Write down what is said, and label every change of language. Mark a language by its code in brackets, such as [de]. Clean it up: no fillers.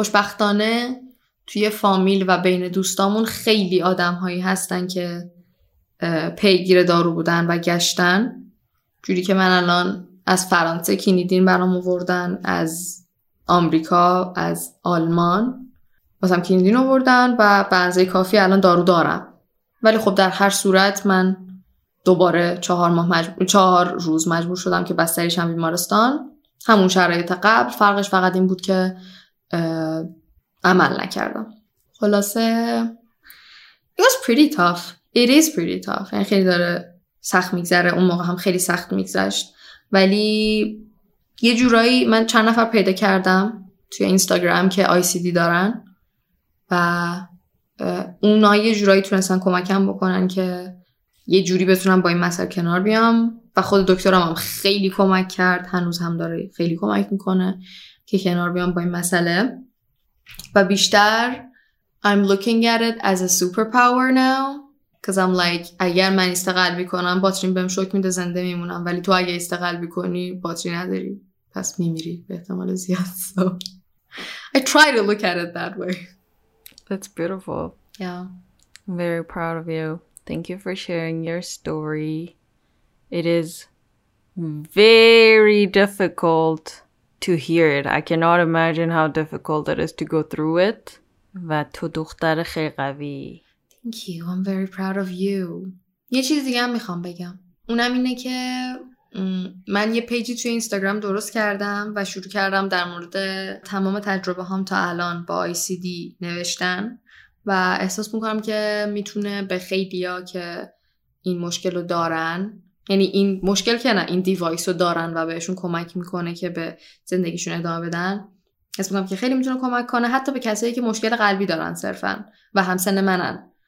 [fa] خوشبختانه توی فامیل و بین دوستامون خیلی آدم هایی هستن که پیگیر دارو بودن و گشتن، جوری که من الان از فرانسه کینیدین برام آوردن، از آمریکا، از آلمان واسم کینیدین آوردن و بنزه کافی الان دارو دارم. ولی خب در هر صورت من دوباره 4 روز مجبور شدم که بستری شم بیمارستان، همون شرایط قبل، فرقش فقط این بود که عمل نکردم. خلاصه [en] It is pretty tough. [fa] یعنی خیلی داره سخت میگذره، اون موقع هم خیلی سخت میگذشت. ولی یه جورایی من چند نفر پیدا کردم توی اینستاگرام که ICD دارن و اونا یه جورایی تونستن کمکم بکنن که یه جوری بتونم با این مسئله کنار بیام و خود دکترم هم خیلی کمک کرد، هنوز هم داره خیلی کمک میکنه که کنار بیام با این مسئله. و بیشتر [en] I'm looking at it as a superpower now because I'm like [fa] اگر من استقلال بکنم باتری بهم شوک میده زنده میمونم، ولی تو اگه استقلال بکنی باتری نداری پس میمیری به احتمال زیاد. [en] So I try to look at it that way. That's beautiful. Yeah. I'm very proud of you. Thank you for sharing your story. It is very difficult to hear it. I cannot imagine how difficult it is to go through it. [fa] و تو دختر خیلی قوی. [en] Thank you. I'm very proud of you. [fa] یه چیز دیگه هم میخوام بگم. اونم اینه که من یه پیجی توی اینستاگرام درست کردم و شروع کردم در مورد تمام تجربه هم تا الان با ICD نوشتن و احساس میکنم که میتونه به خیلی ها که این مشکل رو دارن، یعنی این مشکل که نه، این دیوایس رو دارن و بهشون کمک میکنه که به زندگیشون ادامه بدن، حس میکنم که خیلی میتونه کمک کنه، حتی به کسایی که مشکل قلبی دارن صرفا و همسن منن